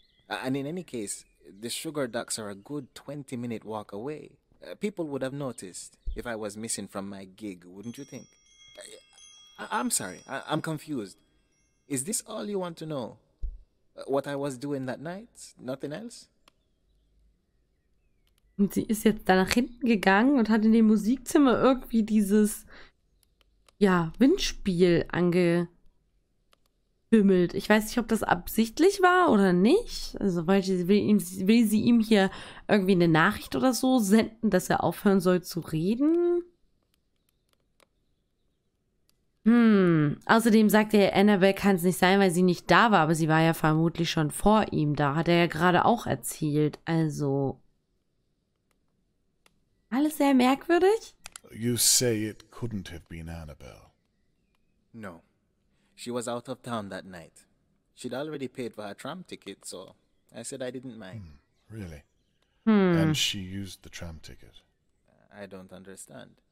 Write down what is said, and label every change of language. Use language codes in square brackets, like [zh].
[en] And in any case, the sugar ducks are a good 20-minute walk away. People would have noticed if I was missing from my gig, wouldn't you think? I'm confused. Is this all you want to know? What I was doing that night? Nothing else? [de] Und sie ist jetzt da nach hinten gegangen und hat in dem Musikzimmer irgendwie dieses, ja, Windspiel angebimmelt. Ich weiß nicht, ob das absichtlich war oder nicht. Also will sie ihm hier irgendwie eine Nachricht oder so senden, dass er aufhören soll zu reden? Außerdem sagte er, Annabelle kann es nicht sein, weil sie nicht da war, aber sie war ja vermutlich schon vor ihm da, hat er ja gerade auch erzählt, also alles sehr merkwürdig. [en] You say it couldn't have been Annabelle. No, she was out of town that night. She'd already paid for her tram ticket, so I said I didn't mind. Really? And she used the tram ticket. I don't understand.